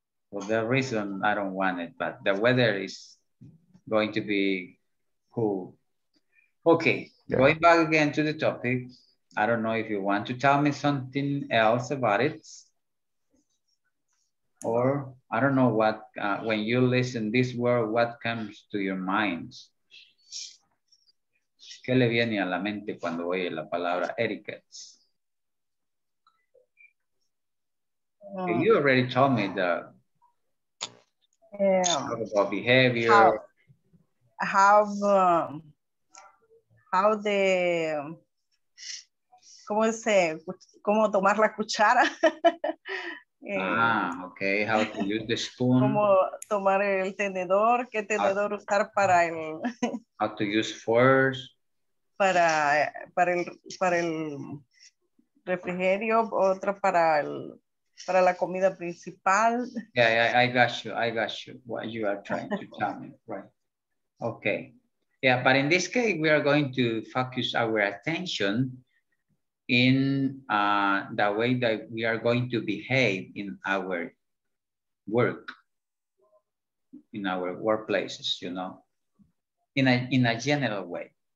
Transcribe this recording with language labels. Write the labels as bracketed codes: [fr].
[en] Well, the reason I don't want it, but the weather is going to be cool. Okay, yeah. Going back again to the topic, I don't know if you want to tell me something else about it. Or I don't know what, when you listen this word, what comes to your mind? [es] ¿Qué le viene a la mente cuando oye la palabra etiquette? [en] You already told me about behavior. How the, [es] ¿cómo se, cómo tomar la cuchara? [en] Okay. How to use the spoon. [es] Cómo tomar el tenedor. ¿Qué tenedor usar para el? [en] How to use forks. [es] Para el refrigerio, otra para la comida principal. [en] Yeah, I got you. What you are trying to tell me, right? Okay. Yeah, but in this case, we are going to focus our attention in the way that we are going to behave in our work, in our workplaces, you know, in a general way.